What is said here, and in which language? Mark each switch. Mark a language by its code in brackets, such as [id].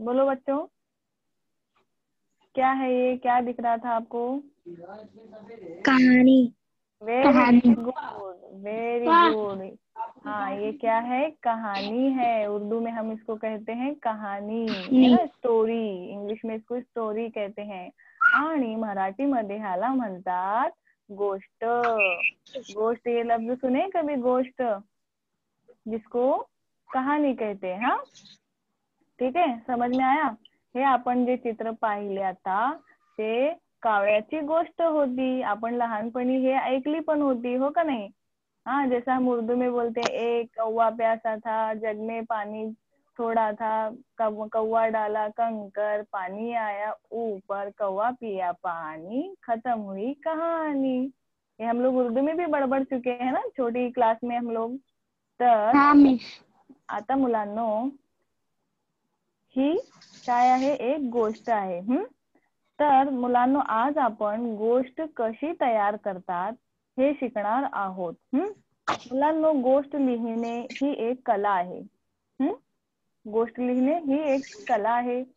[hi] बोलो बच्चों क्या है ये, क्या दिख रहा था आपको? कहानी. [en] Very good very good. [hi] हाँ ये क्या है? कहानी है. उर्दू में हम इसको कहते हैं कहानी, स्टोरी. इंग्लिश में इसको स्टोरी कहते हैं. [mr] आणि मराठी मध्ये ह्याला म्हणतात गोष्ट. [hi] गोष्ट ये लफ्ज सुने कभी? गोष्ट जिसको कहानी कहते हैं. हाँ ठीक है, समझ में आया? [mr] हे आपण जे चित्र पाहिले आता ते कावळ्याची गोष्ट होती. आपण लहानपणी हे ऐकली पण होती. हो का नाही? [hi] हाँ जैसा हम उर्दू में बोलते एक कौवा प्यासा था, जग में पानी थोड़ा था, कौवा डाला कंकर, पानी आया ऊपर, कौवा पिया पानी, खत्म हुई कहानी. ये हम लोग उर्दू में भी बड़बड़ चुके हैं ना छोटी क्लास में हम लोग. [mr] तर आता मुलांनो ही काय आहे? एक गोष्ट आहे. तर मुलांनो आज आपण गोष्ट कशी तयार करतात हे शिकणार आहोत. मुलांनो गोष्ट लिहिणे ही एक कला आहे. गोष्ट लिहिणे ही एक कला आहे.